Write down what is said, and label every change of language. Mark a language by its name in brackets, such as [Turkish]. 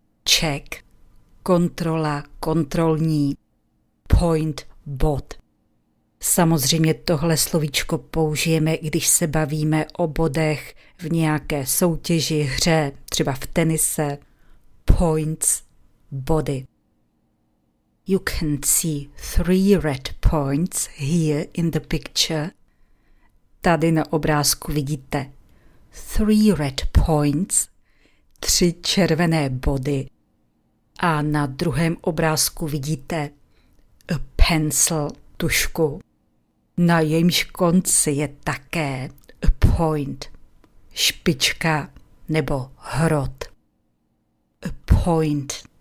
[Czech] Check, kontrola, kontrolní, point, bod. Samozřejmě tohle slovíčko použijeme, když se bavíme o bodech v nějaké soutěži, hře, třeba v tenise. [English] Points, body. You can see three red points here in the picture. [Czech] Tady na obrázku vidíte [English] three red points, [Czech] tři červené body. A na druhém obrázku vidíte [English] a pencil, [Czech] tušku. Na jejímž konci je také [English] a point, [Czech] špička nebo hrot. A point.